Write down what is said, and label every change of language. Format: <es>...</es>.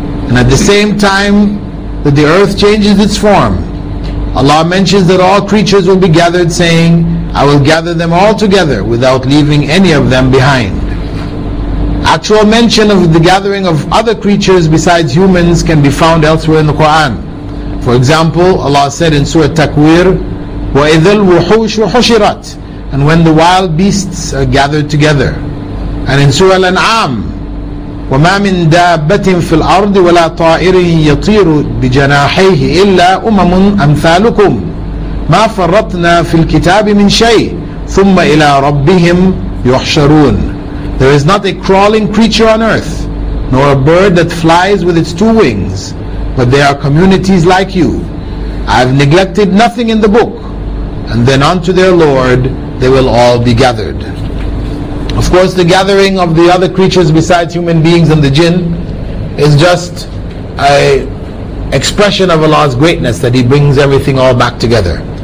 <en>And at the same time that the earth changes its form, Allah mentions that all creatures will be gathered, saying, I will gather them all together without leaving any of them behind. Actual mention of the gathering of other creatures besides humans can be found elsewhere in the Quran. For example, Allah said in Surah Takwir,</en> <ar>وَإِذَا الْوُحُوشُ حُشِرَتْ,</ar> <en>and when the wild beasts are gathered together. And in Surah Al-An'am,</en> <ar>وَمَا مِنْ دَابَّةٍ فِي الْأَرْضِ وَلَا طَائِرٍ يَطِيرُ بِجَنَاحَيْهِ إِلَّا أُمَمٌ أَمْثَالُكُمْ مَا فَرَّطْنَا فِي الْكِتَابِ مِنْ شَيْءٍ ثُمَّ إِلَىٰ رَبِّهِمْ يُحْشَرُونَ.</ar> <en>There is not a crawling creature on earth, nor a bird that flies with its two wings, but there are communities like you. I have neglected nothing in the book. And then unto their Lord they will all be gathered. Of course, the gathering of the other creatures besides human beings and the jinn is just a expression of Allah's greatness, that He brings everything all back together.</en>